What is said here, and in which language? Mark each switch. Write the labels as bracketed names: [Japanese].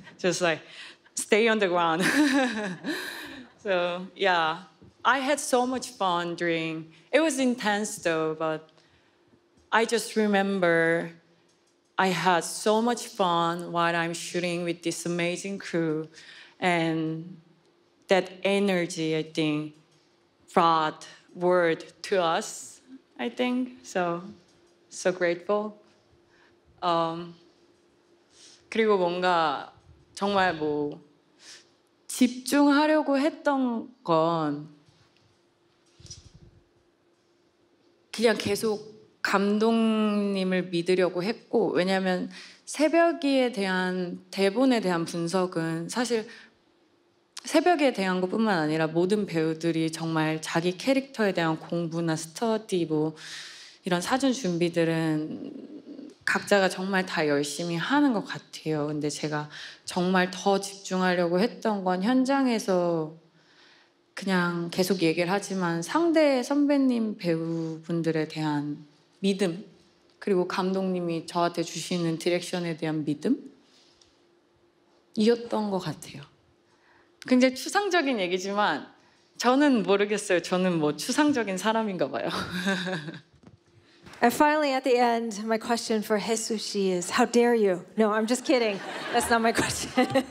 [English] Just like, stay on the ground. So yeah, I had so much fun during, it was intense though, but I just remember I had so much fun while I'm shooting with this amazing crew. And that energy, I think, brought word to us. I think so grateful. [Korean] 그리고 뭔가 정말 뭐 집중하려고 했던 건 그냥 계속 감독님을 믿으려고 했고 왜냐면 새벽이에 대한 대본에 대한 분석은 사실 새벽에 대한 것뿐만 아니라 모든 배우들이 정말 자기 캐릭터에 대한 공부나 스터디 뭐 이런 사전 준비들은 각자가 정말 다 열심히 하는 것 같아요. 근데 제가 정말 더 집중하려고 했던 건 현장에서 그냥 계속 얘기를 하지만 상대 선배님 배우분들에 대한 믿음 그리고 감독님이 저한테 주시는 디렉션에 대한 믿음? 이었던 것 같아요. 굉장히 추상적인 얘기지만 저는 모르겠어요. 저는 뭐 추상적인 사람인가 봐요. [English] And finally, at the end, my question for Hae-soo Shi is, how dare you? No, I'm just kidding. That's not my question.